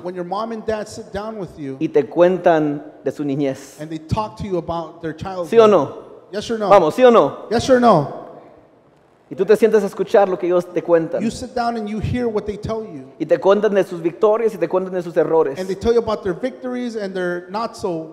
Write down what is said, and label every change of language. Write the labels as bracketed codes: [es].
[en] when your mom and dad sit down with you, [es] y te cuentan de su niñez, [en] and they talk to you about their childhood, [es] ¿sí o no? [en] Yes or no? [es] Vamos, ¿sí o no? [en] Yes or no? [es] Y tú te sientes a escuchar lo que ellos te cuentan. [en] You sit down and you hear what they tell you. [es] Y te cuentan de sus victorias y te cuentan de sus errores. [en] And they tell you about their victories and their not so.